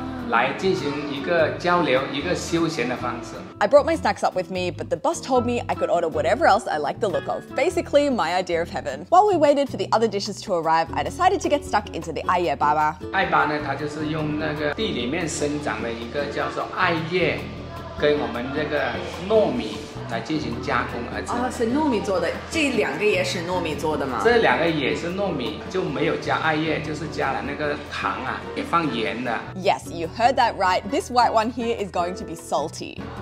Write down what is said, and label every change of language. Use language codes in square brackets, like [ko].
[en] I brought my snacks up with me, but the boss told me I could order whatever else I like the look of. Basically, my idea of heaven. While we waited for the other dishes to arrive, I decided to get stuck into the 艾叶粑粑. [zh] 艾巴呢，它就是用那个地里面生长的一个叫做艾叶，跟我们这个糯米来进行加工而成。哦，是糯米做的，这两个也是糯米做的吗？这两个也是糯米，就没有加艾叶，就是加了那个糖啊，也放盐的。 [en] Yes, you heard that right. This white one here is going to be salty.